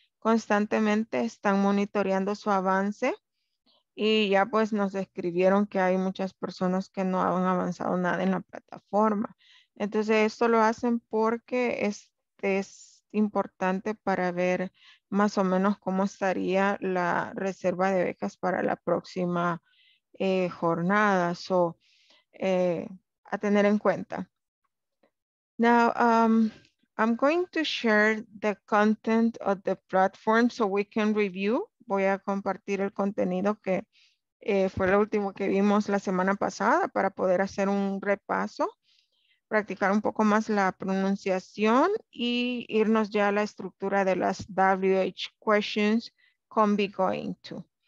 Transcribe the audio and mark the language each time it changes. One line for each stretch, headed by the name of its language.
Spanish: Constantemente están monitoreando su avance y ya pues nos escribieron que hay muchas personas que no han avanzado nada en la plataforma. Entonces esto lo hacen porque es importante para ver más o menos cómo estaría la reserva de becas para la próxima jornada. So, a tener en cuenta.
English: Now, I'm going to share the content of the platform so we can review.
Spanish: Voy a compartir el contenido que fue lo último que vimos la semana pasada para poder hacer un repaso, practicar un poco más la pronunciación y irnos ya a la estructura de las WH questions con be going to.